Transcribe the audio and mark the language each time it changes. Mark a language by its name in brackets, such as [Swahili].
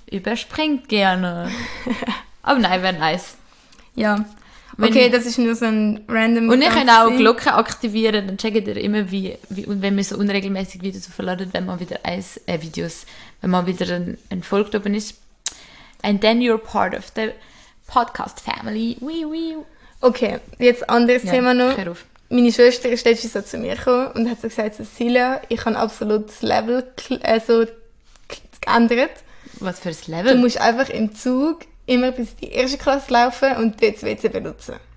[German] Überspringt gerne. Aber nein, wäre nice. Ja. Okay, das ist nur so ein random und ich kann auch Glocke aktivieren, dann checkt ihr immer, und wenn wir so unregelmäßig Videos verladen, wenn man wieder Videos, wenn man wieder ein Folge oben ist. [English] And then you're part of the podcast family. Wee, wee. [German] Okay, jetzt anderes Thema noch. Hör auf. Meine Schwester ist letztens so zu mir gekommen und hat so gesagt, Cecilia, ich habe absolut das Level so geändert. Was für ein Level? Du musst einfach im Zug immer bis in die erste Klasse laufen und dort das WC benutzen.